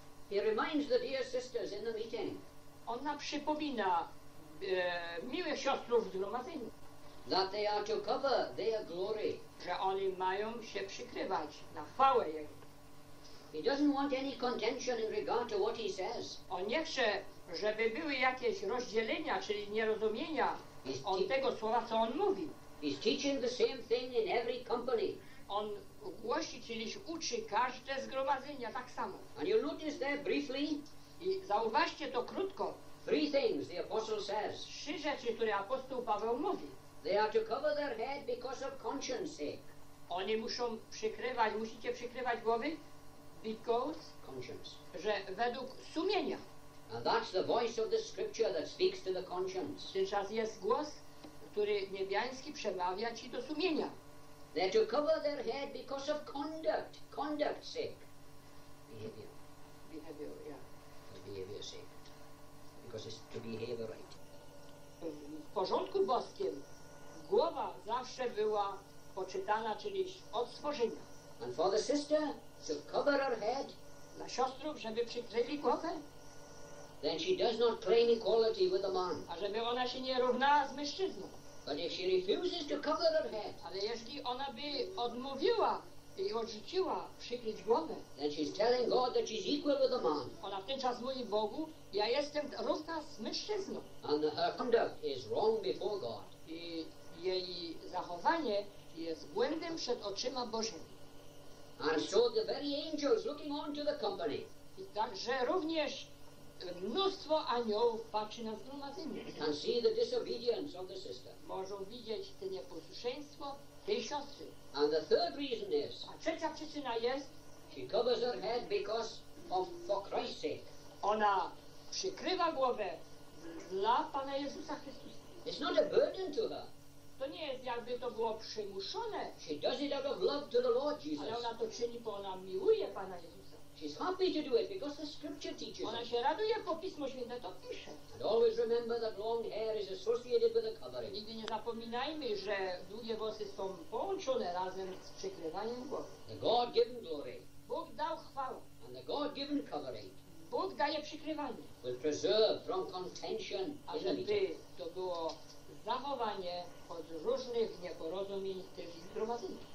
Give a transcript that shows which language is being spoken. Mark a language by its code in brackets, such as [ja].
[en] he reminds the dear sisters in the meeting. [pl] Ona przypomina miłych siostrów w zgromadzeniu, [en] that they are to cover their glory. [pl] Że oni mają się przykrywać na chwałę jego. [en] He doesn't want any contention in regard to what he says. [pl] On nie chce, żeby były jakieś rozdzielenia, czyli nierozumienia od tego słowa, co on mówi. [en] He's teaching the same thing in every company. [pl] On głosi, czyli uczy każde zgromadzenie tak samo. [en] And you notice there briefly. [pl] I zauważcie to krótko. [en] Three things the apostle says. [pl] Trzy rzeczy, które apostoł Paweł mówi. [en] They are to cover their head because of conscience sake. [pl] Oni muszą przykrywać, musicie przykrywać głowy [en] because conscience. [pl] Że według sumienia. [en] And that's the voice of the scripture that speaks to the conscience. [pl] Tymczas jest głos, który niebiański przemawia ci do sumienia. [en] They are to cover their head because of conduct. Conduct sake. Behavior. Behavior, yeah. Behavior sake, because it's to behave right. [pl] W porządku boskim głowa zawsze była poczytana, czyli od stworzenia. [en] And for the sister to cover her head, [pl] dla siostrów, żeby przykryli głowę, [en] then she does not claim equality with the man. [pl] A żeby ona się nie równała z mężczyzną. [en] But if she refuses to cover her head, [pl] ale jeśli ona by odmówiła i odrzuciła przykryć głowę, [en] then she's telling God that she's equal with the man. [pl] Ona w ten czas mówi Bogu, ja jestem równa z mężczyzną. [en] And her conduct is wrong before God. [pl] I jej zachowanie jest błędem przed oczyma Bożymi. [en] And so the very angels looking on to the company. [pl] I także również mnóstwo aniołów patrzy na zgromadzenie. [en] And see the disobedience of the sister. [pl] Mogą widzieć to nieposłuszeństwo tej siostry. [en] And the third reason is, [pl] a trzecia przyczyna jest, [en] she covers her head because for Christ's sake. [pl] Ona przykrywa głowę dla Pana Jezusa Chrystusa. [en] It's not a burden to her. [pl] To nie jest jakby to było przymuszone. [en] She does it out of love to the Lord Jesus. [pl] Ale ona to czyni, bo ona miłuje Pana Jezusa. [en] She's happy to do it because the scripture teaches [pl] ona się raduje, bo Pismo Święte to pisze. [en] And always remember that long hair is associated with the covering. [pl] Nigdy nie zapominajmy, że długie włosy są połączone razem z przykrywaniem głowy. [en] The God-given glory. [pl] Bóg dał chwałę. [en] And the God-given covering. [pl] Bóg daje przykrywanie. [en] Will preserve from contention. [pl] Aby to było zachowanie od różnych nieporozumień tych zgromadzeni.